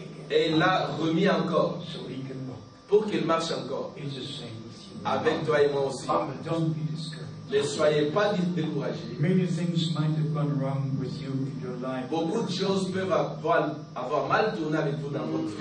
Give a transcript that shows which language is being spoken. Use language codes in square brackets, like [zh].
[fr] Et il l'a remis encore. Pour qu'il marche encore avec toi et moi aussi. [en] Don't be discouraged. [fr] Ne soyez pas découragés. [en] Many things might have gone wrong with you in your life. [fr] Beaucoup de choses peuvent avoir mal tourné avec vous dans votre vie.